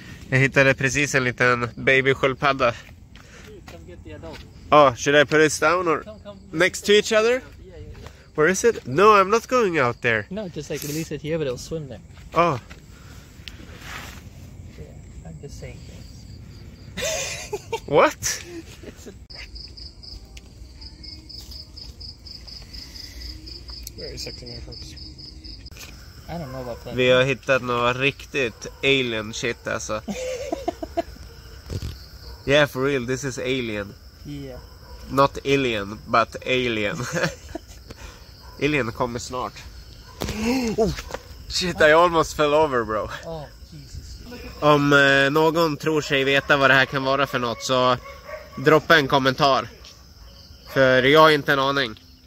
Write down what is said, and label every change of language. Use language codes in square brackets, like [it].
[sv] Jag hittade precis en liten babysköldpadda. [en] Oh, should I put this down or next to each other? Where is it? No, I'm not going out there. No, just like release it here, but it'll swim there. Oh. Yeah, I'm just saying things. What? Very sexy, my folks. I don't know about that. [sv] Vi har hittat något riktigt [en] alien shit, [sv] alltså. [en] Yeah, for real, this is alien. Yeah. Not alien, but alien. Alien [sv] kommer snart. [en] Oh, shit, I almost fell over, bro. Oh, Jesus. [sv] Om någon tror sig veta vad det här kan vara för något, så droppa en kommentar. För jag har inte en aning.